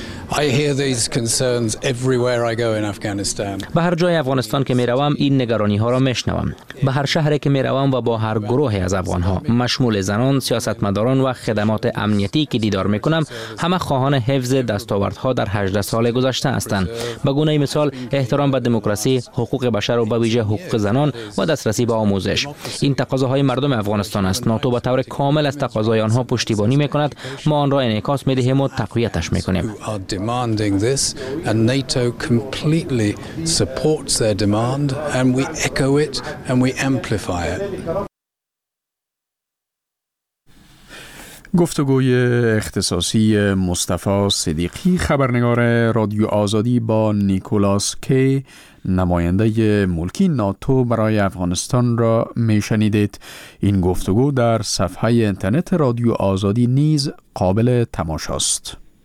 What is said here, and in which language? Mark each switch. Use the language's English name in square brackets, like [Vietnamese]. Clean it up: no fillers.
[English] I hear these concerns everywhere I go in Afghanistan. [Persian] به هر جای افغانستان که می روم این نگرانی ها را می شنوم. به هر شهری که می روم و با هر گروهی از افغان ها، مشمول زنان، سیاستمداران و خدمات امنیتی که دیدار می کنم، همه خواهان حفظ دستاوردها در 18 سال گذشته هستند. به گونه مثال احترام به دموکراسی، حقوق بشر و به ویژه حقوق زنان و دسترسی به آموزش. این تقاضاهای مردم افغانستان است. ناتو به طور کامل از تقاضای آنها پشتیبانی می کند. ما آن را انعکاس می دهیم و تقویتش می کنیم. [English] Demanding this, and NATO completely supports their demand, and we echo it and we amplify it. [Persian] گفتگوی اختصاصی مصطفی صدیقی خبرنگار رادیو آزادی با نیکولاس کی نماینده ملکی ناتو برای افغانستان را میشنیدید. این گفتگو در صفحه اینترنت رادیو آزادی نیز قابل تماشاست.